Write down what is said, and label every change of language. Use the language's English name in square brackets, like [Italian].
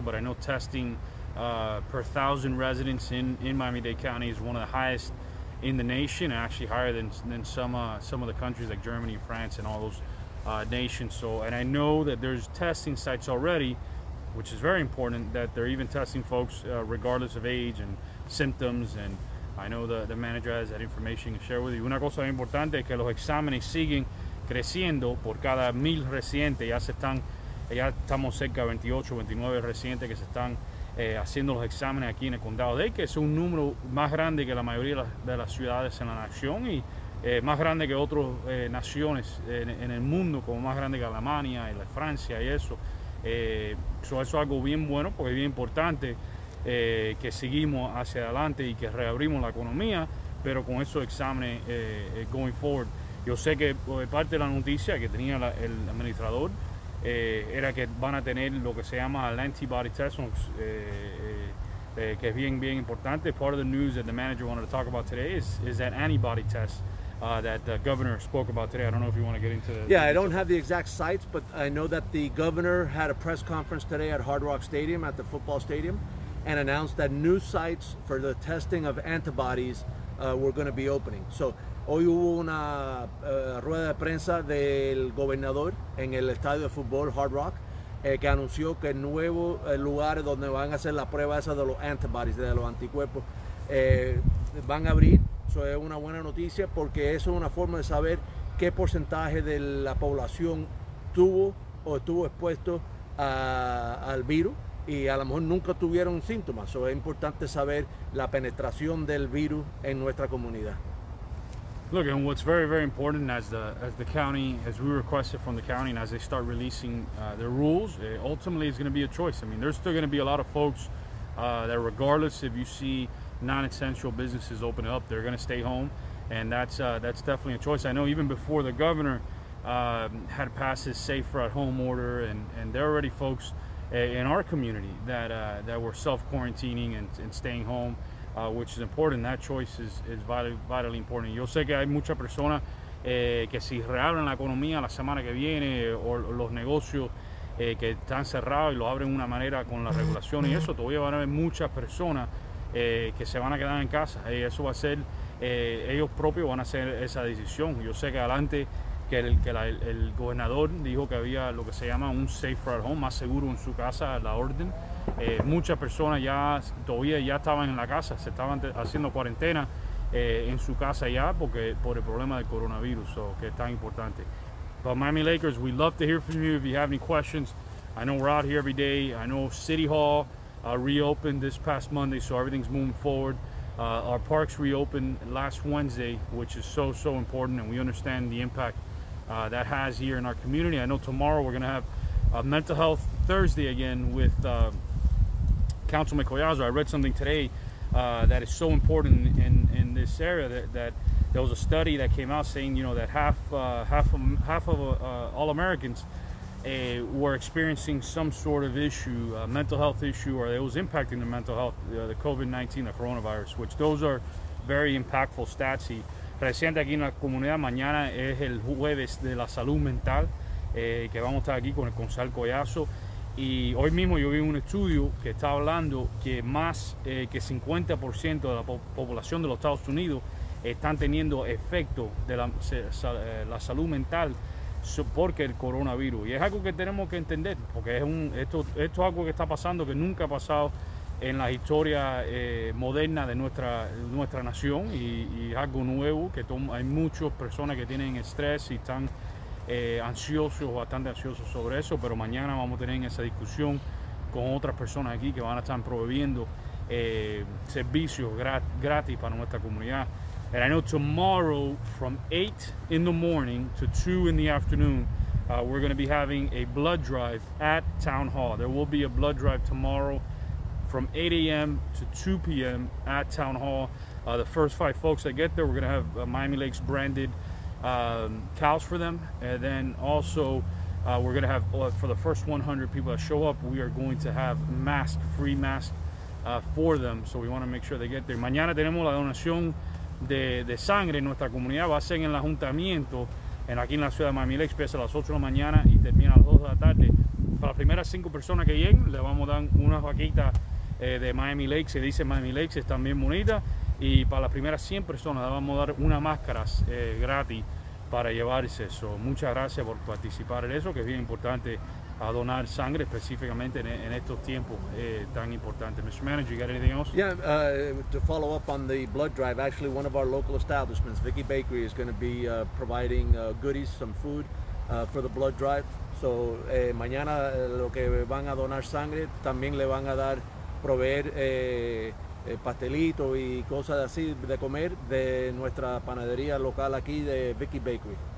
[English] But I know testing per 1,000 residents in Miami-Dade County is one of the highest in the nation, actually higher than some of the countries like Germany, France, and all those nations. So, and I know that there's testing sites already, which is very important, that they're even testing folks regardless of age and symptoms. And I know the manager has that information to share with you. [Spanish] Una cosa importante es que los exámenes siguen creciendo por cada 1,000 residentes. Ya estamos cerca de 28, 29 residentes que se están haciendo los exámenes aquí en el condado de que es un número más grande que la mayoría de las ciudades en la nación y más grande que otras naciones en el mundo, como más grande que Alemania y la Francia y eso. Eso es algo bien bueno porque es bien importante que seguimos hacia adelante y que reabrimos la economía, pero con esos exámenes [English] going forward. [Spanish] Yo sé que parte de la noticia que tenía el administrador era que van a tener lo que se llama el antibody test, que es bien, bien importante. [English] Part of the news that the manager wanted to talk about today is that antibody test that the governor spoke about today. I don't know if you want to get into that. Yeah, I don't have the exact sites, but I know that the governor had a press conference today at Hard Rock Stadium, at the football stadium, and announced that new sites for the testing of antibodies were going to be opening. [Spanish] So, hoy hubo una rueda de prensa del gobernador en el estadio de fútbol Hard Rock, que anunció que el nuevo lugar donde van a hacer la prueba esa de los antibodies, de los anticuerpos, van a abrir. Eso es una buena noticia porque eso es una forma de saber qué porcentaje de la población tuvo o estuvo expuesto al virus y a lo mejor nunca tuvieron síntomas. Eso es importante saber la penetración del virus en nuestra comunidad. [English] Look, and what's very, very important as the county, as we requested from the county, and as they start releasing their rules, ultimately it's going to be a choice. I mean, there's still going to be a lot of folks that regardless if you see non-essential businesses open up, they're going to stay home, and that's definitely a choice. I know even before the governor had passed his safer at home order, and there are already folks in our community that were self-quarantining and staying home, which is important. That choice is vitally, vitally important. [Spanish] Yo sé que hay muchas personas que si reabren la economía la semana que viene o los negocios que están cerrados y lo abren de una manera con la regulación y eso, todavía van a haber muchas personas que se van a quedar en casa y eso va a ser, ellos propios van a hacer esa decisión. Yo sé que adelante que el gobernador dijo que había lo que se llama un [English] safer at home, [Spanish] más seguro en su casa, la orden. Muchas personas ya todavía ya estaban en la casa, se estaban haciendo cuarentena en su casa ya porque por el problema del coronavirus, so, que es tan importante. [English] But Miami Lakers, we'd love to hear from you if you have any questions. I know we're out here every day. I know City Hall reopened this past Monday, so everything's moving forward. Our parks reopened last Wednesday, which is so, so important, and we understand the impact that has here in our community. I know tomorrow we're going to have a Mental Health Thursday again with Councilman Collazo. I read something today that is so important in this area that there was a study that came out saying, you know, that half of all Americans were experiencing some sort of issue, a mental health issue, or it was impacting their mental health, the COVID-19, the coronavirus, which those are very impactful stats. [Spanish] Y presente aquí en la comunidad, mañana es el jueves de la salud mental, que vamos a estar aquí con el concejal Collazo. Y hoy mismo yo vi un estudio que está hablando que más que 50% de la población de los Estados Unidos están teniendo efecto de la salud mental porque el coronavirus. Y es algo que tenemos que entender, porque esto es algo que está pasando, que nunca ha pasado en la historia moderna de nuestra nación, y es algo nuevo, que hay muchas personas que tienen estrés y están ansiosos, bastante ansiosos sobre eso. Pero mañana vamos a tener esa discusión con otras personas aquí que van a estar proveyendo servicios gratis para nuestra comunidad. [English] And I know tomorrow from 8 in the morning to 2 in the afternoon, we're going to be having a blood drive at Town Hall. There will be a blood drive tomorrow from 8 a.m. to 2 p.m. at Town Hall. The first 5 folks that get there, we're going to have Miami Lakes branded cows for them. And then also, we're going to have, for the first 100 people that show up, we are going to have free masks for them. So we want to make sure they get there. [Spanish] Mañana tenemos la donación de sangre en nuestra comunidad, va a ser en el ayuntamiento, aquí en la ciudad de Miami Lakes, empieza a las 8 de la mañana y termina a las 2 de la tarde. Para las primeras 5 personas que lleguen, le vamos a dar una vaquita de Miami Lakes, se dice Miami Lakes, es también bonita, y para las primeras 100 personas le vamos a dar una máscara gratis para llevarse eso. Muchas gracias por participar en eso, que es bien importante a donar sangre específicamente en estos tiempos tan importantes. [English] Mr. Manager, you got anything else? Yeah, to follow up on the blood drive, actually one of our local establishments, Vicky Bakery, is going to be providing goodies, some food for the blood drive. [Spanish] So mañana lo que van a donar sangre, también le van a dar proveer pastelito y cosas así de comer de nuestra panadería local aquí de Vicky Bakery.